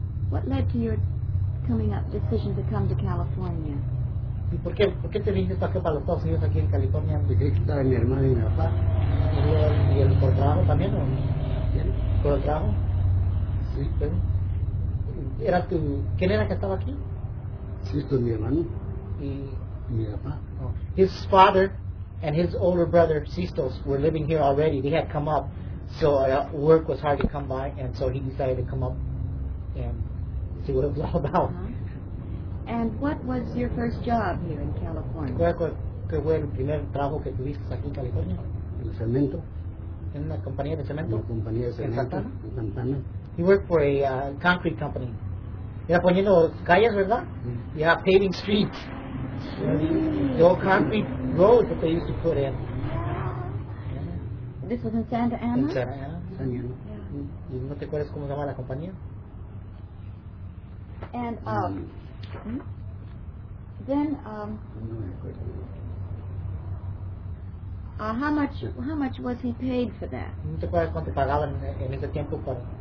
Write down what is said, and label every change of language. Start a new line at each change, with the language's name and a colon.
English: What led to your coming up decision to come to California?
Spanish: ¿Y por qué te viniste acá para los Estados Unidos aquí en California? Porque estaba mi hermana y mi papá. ¿Y el por trabajo también? ¿Por el trabajo? Sí, pero... ¿Era tu... ¿Quién era que estaba aquí? Sí, esto es mi hermano. ¿Y...? Mi papá.
English: Oh. His father and his older brother, Sistos, were living here already. They had come up, so work was hard to come by, and so he decided to come up and see what it was all about. Uh-huh. And what was your first job here in California?
Spanish: ¿Qué fue el primer trabajo que tuviste aquí en California? El cemento. ¿En una compañía de cemento? Una compañía de cemento. ¿En Santana? En Santana.
English: He worked for a concrete company.
Spanish: Era poniendo calles, ¿verdad? Mm.
English: Yeah, paving streets. Mm. The old concrete roads that they used to put in. Yeah. This was in Santa Ana? In Santa Ana. Yeah.
Spanish: Yeah. ¿Y no te acuerdas cómo se llama la compañía?
English: And, how much was he paid for that?
Spanish: ¿No te acuerdas cuánto pagaban en ese tiempo para...?